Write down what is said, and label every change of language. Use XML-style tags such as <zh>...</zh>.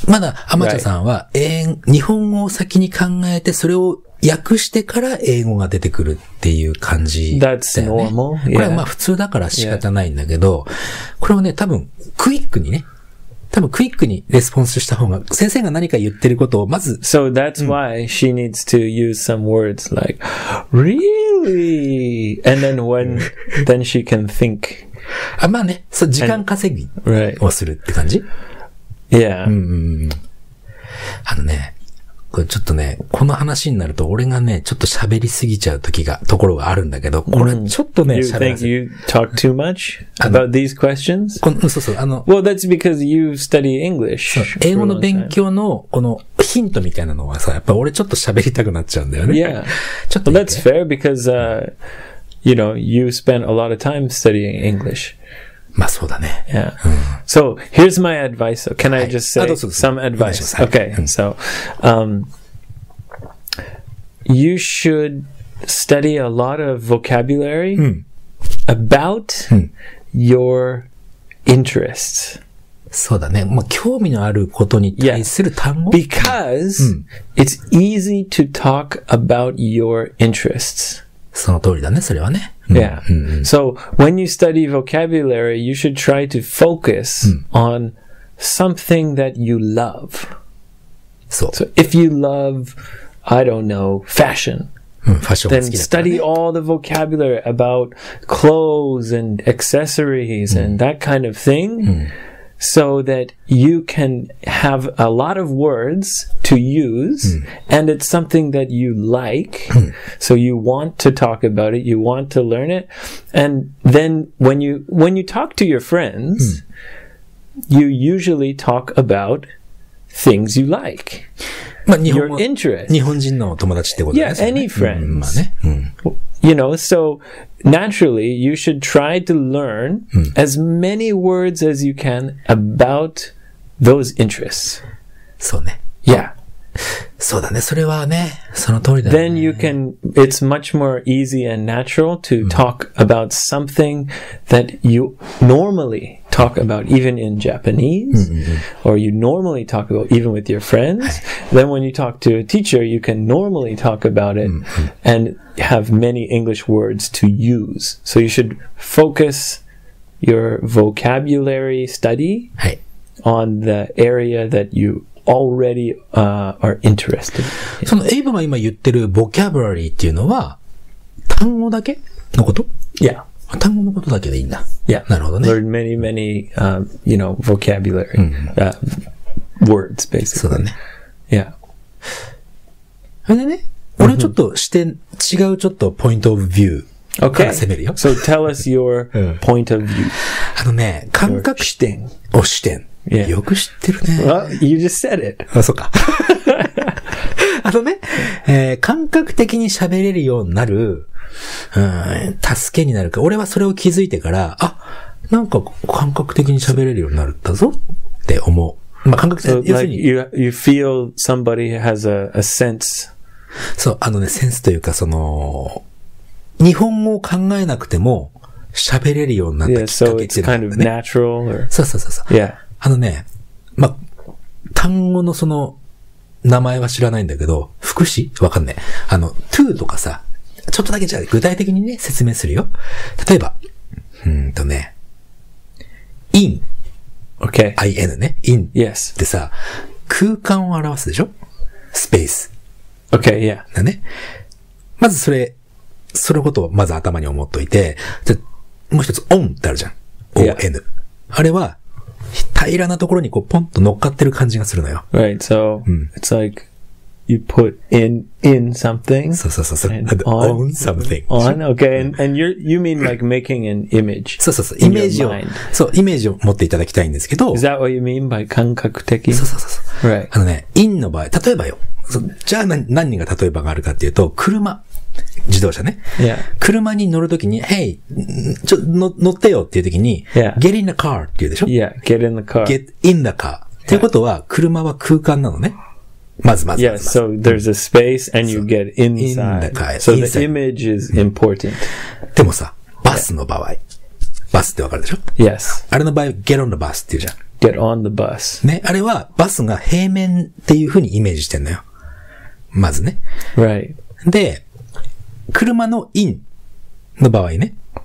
<ja>まだ、アマチュアさんは、</ja> <en>right.</en> <ja>日本語を先に考えて、それを訳してから英語が出てくるっていう感じだよ、ね。</ja> <en>That's normal.、Yeah.</en> <ja>これはまあ普通だから仕方ないんだけど、これはね、多分、クイックにね。多分、クイックにレスポンスした方が、先生が何か言ってることを、まず。</ja> <en>So, that's why she needs to use some words like, really? And then when, then she can think.</en> <ja>あ、まあね、そう、時間稼ぎをするって感じ、</ja> <en>right. Yeah.</en> <ja>ね、これちょっとね、この話になると、俺がね、ちょっと喋りすぎちゃう時が、ところがあるんだけど、これちょっとね、</ja> <en>You think you talk too much about these questions?</en> <ja>そうそう、</ja> <en>Well, that's because you study English.</en> <ja>英語の勉強の、このヒントみたいなのはさ、やっぱ俺ちょっと喋りたくなっちゃうんだよね。</ja> <en>Yeah.</en> <ja>ちょっと。</ja> <en>That's fair because, you know, you spend a lot of time studying English.</en> <ja>まあそうだね。</ja> <en>Yeah. So, here's my advice. Can I just say、</en> <ja>はい、</ja> <en>some advice? Okay. So, you should study a lot of vocabulary、</en> <ja>うん、</ja> <en>about、</en> <ja>うん、</ja> <en>your interests.</en> <ja>そうだね。まあ興味のあることに対する単語。</ja> <en>Yeah. Because、うん、it's easy to talk about your interests.</en> <ja>その通りだね、それはね。</ja> <en>Yeah. So, when you study vocabulary, you should try to focus on something that you love. So, if you love, I don't know, fashion, then study all the vocabulary about clothes and accessories and that kind of thing. so that you can have a lot of words to use、うん、and it's something that you like、うん、so you want to talk about it, you want to learn it, and then when you talk to your friends、うん、you usually talk about things you like、</en> <ja>まあ、</ja> <en>your interest</en> <ja>日本人の友達ってことですよね</ja> <en>yeah, any friends、</en> <ja>うんまあねうん、</ja> <en>you know, soNaturally, you should try to learn、うん、as many words as you can about those interests.</en> <ja>そうね。</ja> <en>Yeah.</en> <ja>そうだね。それはね、その通りだね。</ja> <en>Then you can, it's much more easy and natural to、うん、talk about something that you normally talk about even in Japanese,</en> <ja>うんうん、うん、</ja> <en>or you normally talk about even with your friends.、</en> <ja>はい、</ja> <en>Then when you talk to a teacher, you can normally talk about it、</en> <ja>うんうん、</ja> <en>and have many English words to use. So you should focus your vocabulary study、</en> <ja>はい、</ja> <en>on the area that youalready、are interested.</en> <ja>そのエイブが今言ってるボキャブラリーっていうのは単語だけのこと</ja> <en>?Yeah.</en> <ja>単語のことだけでいいんだ。</ja> <en>Yeah.</en> <ja>なるほどね。</ja> <en>Learn many, many,、you know, vocabulary,、</en> <ja>うん</ja> <en>words, basically.</en> <ja>そうだね。</ja> <en>Yeah.</en> <ja>それでね、mm-hmm. 俺ちょっと視点、違うちょっと</ja> <en>point of view</en> <ja>から攻めるよ。</ja> <en>Okay. So tell us your point of view. 、う</en> <ja>ん、あのね、感覚視点。お、視点。</ja> <en>Yeah.</en> <ja>よく知ってるね。</ja> <en>Well, you just said it.</en> <ja>あ、そっか。あのね、感覚的に喋れるようになる、うん、助けになるか。俺はそれを気づいてから、あ、なんか感覚的に喋れるようになったぞって思う。まあ、感覚的、</ja> <en>so,</en> <ja>要するに、</ja> <en>like、you feel somebody has a sense.</en> <ja>そう、あのね、センスというか、その、日本語を考えなくても喋れるようになったきっかけっていうのは、ね。</ja> <en>Yeah, so it's kind of natural or...</en> <ja>そうそうそうそう。</ja> <en>Yeah.</en> <ja>あのね、ま、単語のその、名前は知らないんだけど、副詞わかんない。あの、to とかさ、ちょっとだけじゃ具体的にね、説明するよ。例えば、ね、in。</ja> <en>Okay.</en> <ja>in ね。in。</ja> <en>Yes.</en> <ja>でさ、空間を表すでしょ ?space。</ja> <en>Okay, yeah.</en> <ja>だね。まずそれ、そのことをまず頭に思っといて、じゃ、もう一つ on ってあるじゃん。</ja> <en>on。 Yeah.</en> <ja>あれは、平らなところにこうポンと乗っかってる感じがするのよ。</ja> <en>Right, so、</en> <ja>うん、</ja> <en>it's like you put in something.</en> <ja>そうそうそうそう。</ja> <en>And on something. On, okay, and you mean like making an image.</en> <ja>そうそうそう。イメージを、そうイメージを持っていただきたいんですけど。</ja> <en>Is that what you mean by 感覚的？</en> <ja>そうそうそうそう。</ja> <en>Right.</en> <ja>あのね、in の場合、例えばよ。じゃあ何人が例えばがあるかっていうと、車、自動車ね。</ja> <en>Yeah.</en> <ja>車に乗るときに、Hey, ちょ乗ってよっていうときに、</ja> <en>yeah. Get in the car</en> <ja>って言うでしょ</ja> <en>?Yeah, get in the car. Get in the car.</en> <ja>っていうことは、yeah. 車は空間なのね。まず。</ja> <en>Yeah, so there's a space and you get inside. In the car. So the image is important.、うん、</en> <ja>でもさ、バスの場合、yeah. バスってわかるでしょ</ja> <en>?Yes. あれの場合、Get on the bus</en> <ja>って言うじゃん。</ja> <en>Get on the bus.</en> <ja>ね、あれはバスが平面っていうふうにイメージしてんのよ。まずね。</ja> <en>Right.</en> <ja>で、車のインの場合ね。</ja>